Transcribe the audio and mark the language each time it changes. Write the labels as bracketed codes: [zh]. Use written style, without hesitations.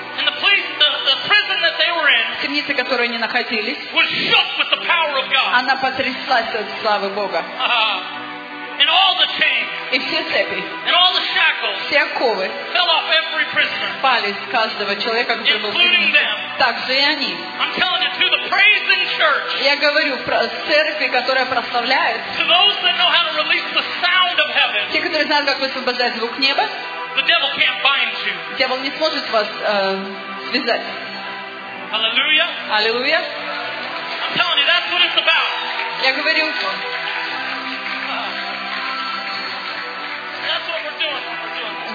[en] And the place, the prison that they were in, [ru] темница, в которой они находились, [en] was shook with the power of God. [ru] Она потряслась от славы Бога. [en] And all the chains, [ru] и все цепи, [en] and all the shackles, [ru] все оковы, [en] fell off every prisoner, [ru] пали с каждого человека, который был в темнице. Также и они. [en] I'm telling you, to the praising church. [ru] Я говорю про церкви, которая прославляет. [en] To those that know how to release the sound of heaven. [ru] Те, которые знают, как высвобождать звук неба. [en] The devil can't bind you. [ru] Дьявол не сможет вас связать. Аллилуйя. Аллилуйя. [en] I'm telling you, that's what it's about. [ru] Я говорю. [en] That's what we're doing.